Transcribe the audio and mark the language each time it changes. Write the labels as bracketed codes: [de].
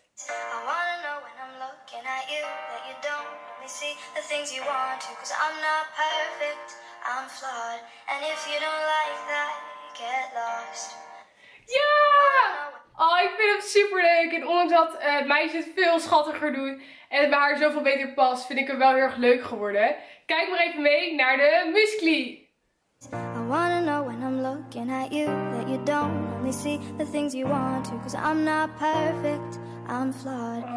[en] I wanna know when I'm looking at you that you don't really see the things you want to. Cause I'm not perfect, I'm flawed. And if you don't like that, get lost. [nl] Ja! Oh, ik vind hem super leuk. En ondanks dat het meisje het veel schattiger doet en het bij haar zoveel beter past, vind ik hem wel heel erg leuk geworden. Kijk maar even mee naar de Musical.ly. [en] I wanna know when I'm looking at you that you don't only see the things you want to. Cause I'm not perfect, I'm flawed.